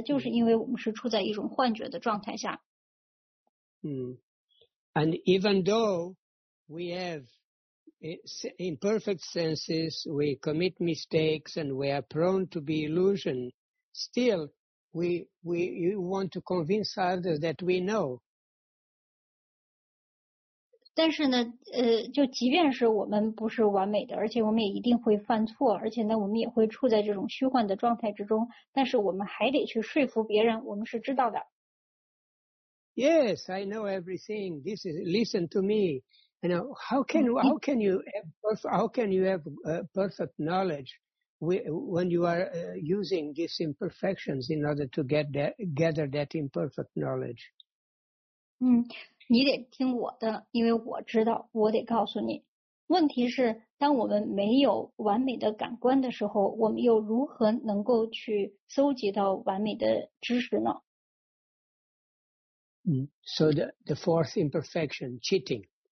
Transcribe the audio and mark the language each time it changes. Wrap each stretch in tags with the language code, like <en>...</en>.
<zh>就是因为我们是处在一种幻觉的状态下。</zh> <en>And even though we have imperfect senses, we commit mistakes, and we are prone to be illusion, still we want to convince others that we know.</en> <zh>但是呢，就即便是我们不是完美的，而且我们也一定会犯错，而且呢，我们也会处在这种虚幻的状态之中，但是我们还得去说服别人，我们是知道的。</zh> <en>Yes, I know everything. This is, listen to me. You know, how can you have perfect knowledge when you are using these imperfections in order to gather that imperfect knowledge?</en> <zh>你得听我的，因为我知道，我得告诉你。问题是，当我们没有完美的感官的时候，我们又如何能够去搜集到完美的知识呢？</zh> <en>So the fourth imperfection, cheating.</en>